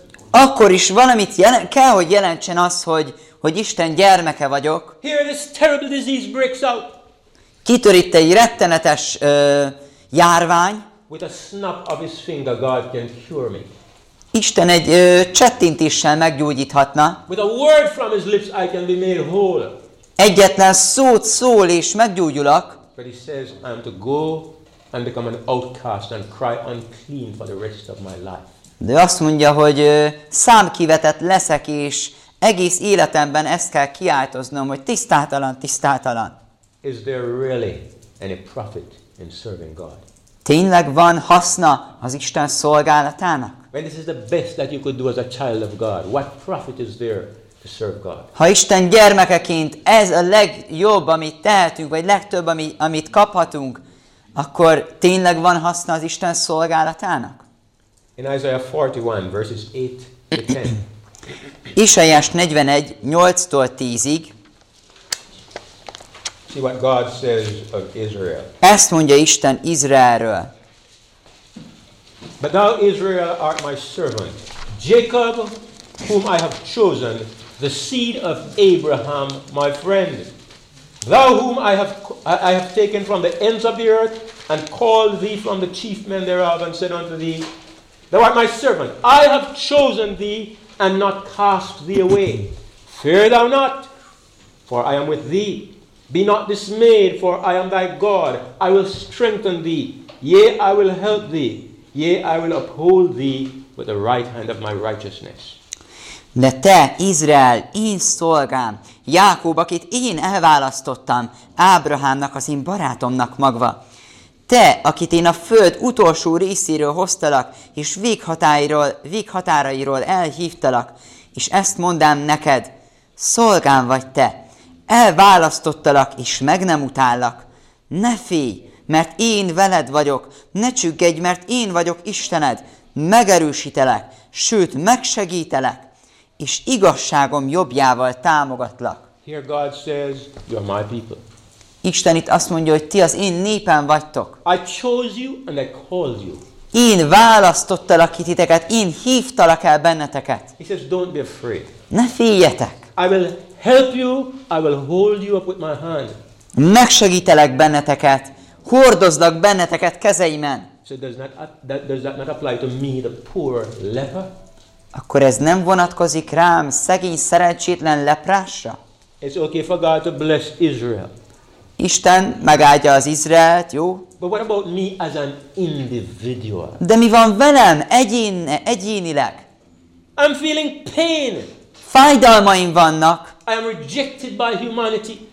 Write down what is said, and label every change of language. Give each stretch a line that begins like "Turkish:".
Hungarian: Akkor is valamit kell, hogy jelentsen az, hogy Isten gyermeke vagyok.
English: Here this terrible disease breaks out.
Hungarian: Kitör itt egy rettenetes járvány.
English: With a snap of his finger, God can cure me.
Hungarian: Isten egy csettintéssel meggyógyíthatna.
English: With a word from his lips, I can be made whole.
Hungarian: Egyetlen szót szól és meggyógyulok.
English: But he says, I am to go and become an outcast and cry unclean for the rest of my life.
Hungarian: De azt mondja, hogy számkivetett leszek, és egész életemben ezt kell kiáltoznom, hogy tisztátalan, tisztátalan.
English: Is there really any profit in serving God?
Hungarian: Tényleg van haszna az Isten szolgálatának?
English: When this is the best that you could do as a child of God, what profit is there to serve God?
Hungarian: Ha Isten gyermekeként ez a legjobb, amit tehetünk, vagy legtöbb, amit kaphatunk, akkor tényleg van haszna az Isten szolgálatának?
English: In Isaiah 41, verses 8 to 10.
Hungarian: Isaiás 41, 8-tól 10-ig.
English: See what God says of Israel.
Hungarian: Ezt mondja Isten Izraelről.
English: But thou, Israel, art my servant. Jacob, whom I have chosen, the seed of Abraham, my friend. Thou whom I have taken from the ends of the earth, and called thee from the chief men thereof, and said unto thee, thou art my servant. I have chosen thee, and not cast thee away. Fear thou not, for I am with thee. Be not dismayed, for I am thy God. I will strengthen thee. Yea, I will help thee. Yea, I will uphold thee with the right hand of my righteousness.
Hungarian: De te, Izrael, én szolgám, Jákob, akit én elválasztottam, Ábrahámnak, az én barátomnak magva. Te, akit én a föld utolsó részéről hoztalak, és véghatárairól elhívtalak, és ezt mondám neked, szolgám vagy te, elválasztottalak, és meg nem utállak. Ne félj, mert én veled vagyok, ne csüggedj, mert én vagyok Istened, megerősítelek, sőt, megsegítelek. És igazságom jobbjával támogatlak.
English: Here God says, you are my people.
Hungarian: Isten itt azt mondja, hogy ti az én népem vagytok.
English: I chose you and I called you.
Hungarian: Én választottalak titeket, én hívtalak el benneteket.
English: He says, don't be afraid.
Hungarian: Ne féljetek.
English: I will help you, I will hold you up with my hand.
Hungarian: Megsegítelek benneteket, hordozlak benneteket kezeimen.
English: So does that not apply to me, the poor leper?
Hungarian: Akkor ez nem vonatkozik rám, szegény, szerencsétlen leprásra?
English: It's okay for God to bless Israel.
Hungarian: Isten megáldja az Izraelt, jó?
English: But what about me as an individual?
Hungarian: De mi van velem egyénileg?
English: I'm feeling pain.
Hungarian: Fájdalmaim vannak.
English: I am rejected by humanity.